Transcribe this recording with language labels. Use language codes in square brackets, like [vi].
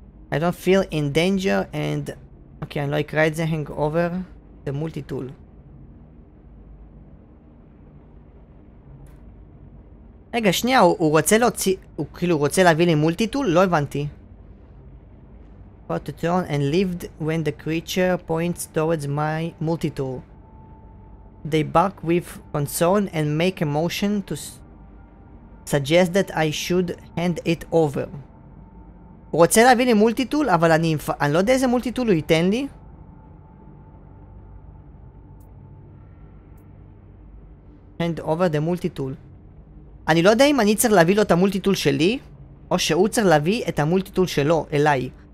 [en] I don't feel in danger and... [he] אוקיי, אני לא אקרא את זה, [en] hang over the multi-tool. [he] רגע, שנייה, הוא רוצה להוציא... הוא כאילו רוצה להביא לי מולטיטול? לא הבנתי. [en] To turn and lift when the creature points towards my multi-tool. They bark with concern and make a motion to suggest that I should hand it over. [he] הוא רוצה להביא לי מולטיטול, אבל אני לא יודע איזה מולטיטול הוא ייתן לי. [en] Hand over the multi-tool. [he] אני לא יודע אם אני צריך להביא לו את המולטיטול שלי, או שהוא צריך להביא את המולטיטול שלו אליי.